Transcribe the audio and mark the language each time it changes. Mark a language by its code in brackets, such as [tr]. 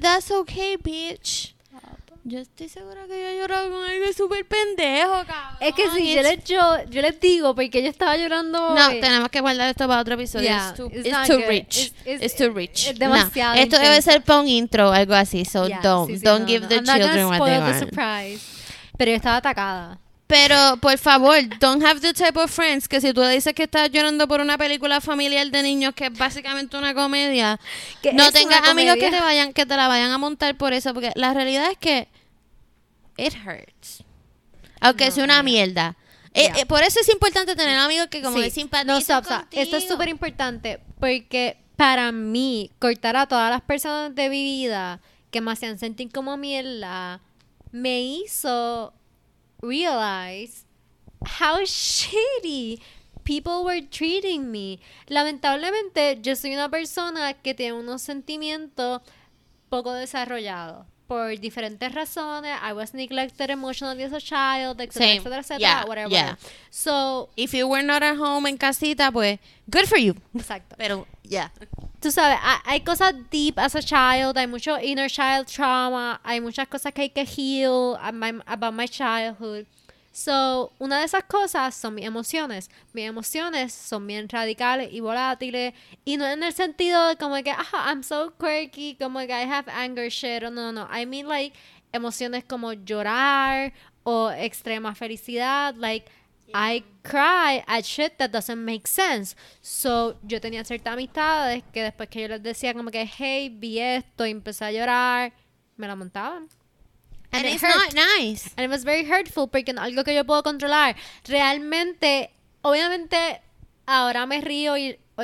[en] That's okay, bitch. [es] Yo estoy segura que yo lloro con algo súper pendejo, cabrón. Es que si yo les digo porque yo estaba llorando. No, tenemos que guardar esto para otro episodio. [en] Yeah, it's too rich. [es] Es demasiado. No, esto debe ser para un intro o algo así. [en] So yeah, don't give the children what they want. [es] Pero yo estaba atacada. Pero, por favor, [en] don't have the type of friends [es] que si tú le dices que estás llorando por una película familiar de niños que es básicamente una comedia, no tengas amigos que te la vayan a montar por eso, porque la realidad es que [en] it hurts. [es] Aunque no, es una mierda. Yeah. Por eso es importante tener amigos que como es simpatizan contigo. Esto es súper importante porque para mí, cortar a todas las personas de mi vida que me hacían sentir como mierda, me hizo [en] realize how shitty people were treating me. [es] Lamentablemente, yo soy una persona que tiene unos sentimientos poco desarrollados por diferentes razones. [en] I was neglected emotionally as a child, etc. Same. Etc. Etc. Yeah. Whatever. Yeah. So, if you were not at home [es] en casita, pues, [en] good for you. [es] Exacto. Pero, yeah. Tú sabes, hay cosas [en] deep as a child, [es] hay mucho [en] inner child trauma, [es] hay muchas cosas que hay que [en] heal about my childhood. [es] So, una de esas cosas son mis emociones. Mis emociones son bien radicales y volátiles. Y no en el sentido de como que, [en] oh, I'm so quirky, [es] como que [en] I have anger shit. [es] No. [en] I mean, like, [es] emociones como llorar o extrema felicidad. [en] Like, yeah. I cry at shit that doesn't make sense. [es] So, yo tenía ciertas amistades que después que yo les decía como que, hey, vi esto y empecé a llorar, me la montaban. [en] And it's not nice. And it was very hurtful [es] porque no, algo que yo puedo controlar. Realmente, obviamente, ahora me río y